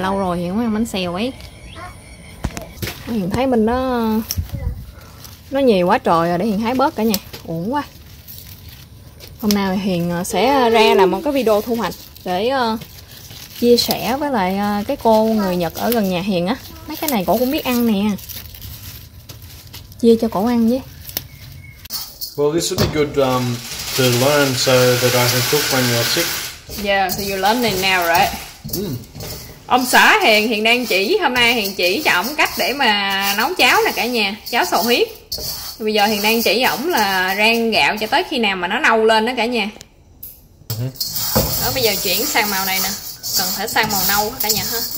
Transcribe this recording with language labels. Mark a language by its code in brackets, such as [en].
[vi] Lâu rồi Hiền không ăn bánh xèo ấy. Hiền thấy mình nó nhiều quá trời rồi, để Hiền hái bớt cả nhà. Uổng quá. Hôm nào Hiền sẽ ra làm một cái video thu hoạch để chia sẻ với lại cái cô người Nhật ở gần nhà Hiền á. Mấy cái này cổ cũng biết ăn nè. Chia cho cổ ăn với. [en] Well, this would be good to learn so that I can cook when you're sick. Yeah, so you're learning now, right? [vi] Ông xã Hiền hiện đang chỉ, hôm nay Hiền chỉ cho ổng cách để mà nấu cháo nè cả nhà, cháo sầu huyết. Bây giờ Hiền đang chỉ ổng là rang gạo cho tới khi nào mà nó nâu lên đó cả nhà. Đó, bây giờ chuyển sang màu này nè, cần phải sang màu nâu cả nhà ha.